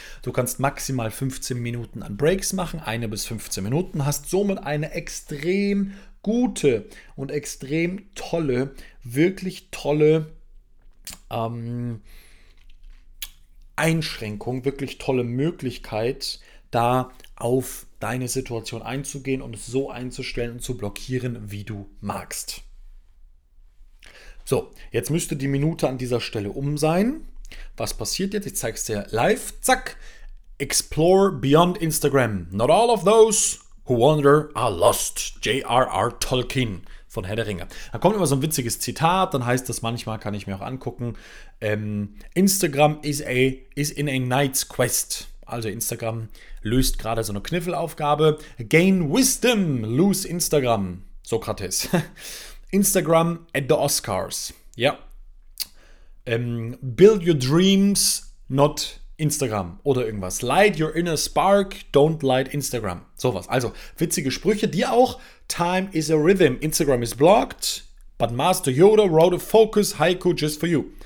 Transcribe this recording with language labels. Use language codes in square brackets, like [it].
[de] Du kannst maximal 15 Minuten an Breaks machen, 1 bis 15 Minuten, hast somit eine extrem gute und extrem tolle, wirklich tolle Einschränkung, wirklich tolle Möglichkeit, da auf deine Situation einzugehen und es so einzustellen und zu blockieren, wie du magst. So, jetzt müsste die Minute an dieser Stelle um sein. Was passiert jetzt? Ich zeige es dir live. [en] Zack! Explore beyond Instagram. Not all of those who wander are lost. J.R.R. [de] Tolkien von Herr der Ringe. Da kommt immer so ein witziges Zitat, dann heißt das manchmal, kann ich mir auch angucken, [en] Instagram is in a night's quest. [de] Also Instagram löst gerade so eine Kniffelaufgabe. [en] Gain wisdom, lose Instagram, Sokrates. Instagram at the Oscars, ja. Build your dreams, not Instagram [de] oder irgendwas. [en] Light your inner spark, don't light Instagram, [de] sowas. Also witzige Sprüche, die auch. [en] Time is a rhythm, Instagram is blocked, but Master Yoda wrote a focus haiku just for you.